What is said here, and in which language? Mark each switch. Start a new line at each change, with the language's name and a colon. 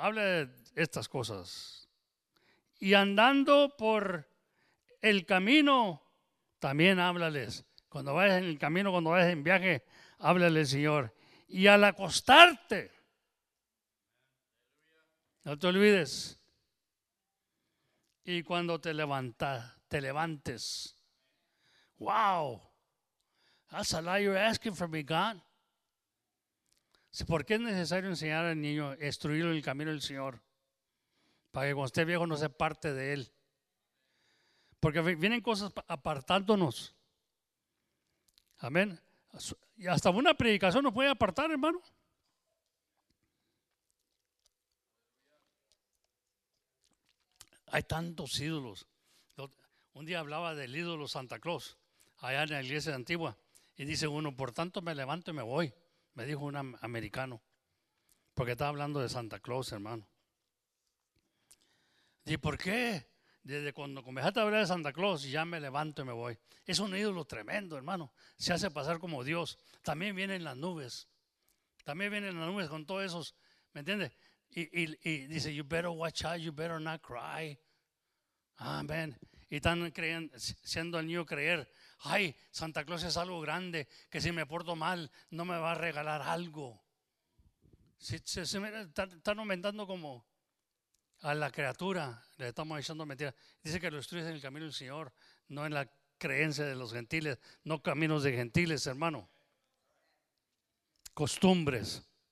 Spanish: Habla de estas cosas. Y andando por el camino, también háblales. Cuando vayas en el camino, cuando vayas en viaje, háblale, Señor. Y al acostarte, no te olvides. Y cuando te levantas. te levantes. Wow.
English: That's a lot you're asking from me, God.
Spanish: ¿Por qué es necesario enseñar al niño a instruir en el camino del Señor? Para que cuando esté viejo no sea parte de él. Porque vienen cosas apartándonos. Amén. Y hasta una predicación nos puede apartar, hermano. Hay tantos ídolos. Yo un día hablaba del ídolo Santa Claus, allá en la iglesia antigua. Y dice uno, por tanto me levanto y me voy. Me dijo un americano, porque estaba hablando de Santa Claus, hermano. ¿Y por qué? Desde cuando comenzaste a hablar de Santa Claus, ya me levanto y me voy. Es un ídolo tremendo, hermano. Se hace pasar como Dios. También vienen las nubes. También vienen las nubes con todos esos, ¿me entiendes? Y dice,
English: you better watch out, you better not cry.
Spanish: Amén. Y están creyendo, siendo el niño creer. Ay, Santa Claus es algo grande, que si me porto mal, no me va a regalar algo. Están aumentando como a la criatura, le estamos echando mentiras. Dice que lo instruyes en el camino del Señor, no en la creencia de los gentiles, no caminos de gentiles, hermano. Costumbres.